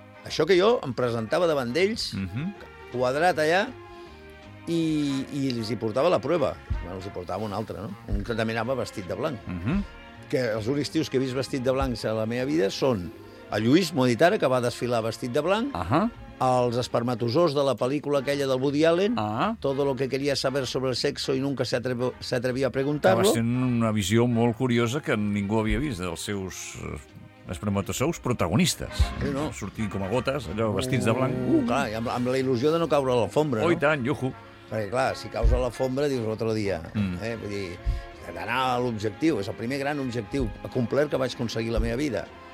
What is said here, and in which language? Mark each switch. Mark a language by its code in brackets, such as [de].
[ca] Això que jo em presentava davant d'ells, quadrat allà, i els hi portava la prova. Bueno, els hi portava una altra, no? Un que també anava vestit de blanc. Que els únics tios que he vist vestit de blanc a la meva vida són... A Lluís, m'ho dit ara, que va desfilar vestit de blanc. Els espermatozors de la pel·lícula aquella del Woody Allen. [es] Todo lo que quería saber sobre el sexo y nunca se atrevió a preguntarlo. [ca] Va ser una visió molt curiosa que ningú havia vist dels seus espermatozous protagonistes. Sí, no? Sortir com a gotes, allò, vestits de blanc. Clar, i amb la il·lusió de no caure a l'alfombra. Oh, i tant, yuhu. Perquè, clar, si caus a l'alfombra, dius l'altre dia. Vull dir, d'anar a l'objectiu, és el primer gran objectiu a complir que vaig aconseguir la meva vida.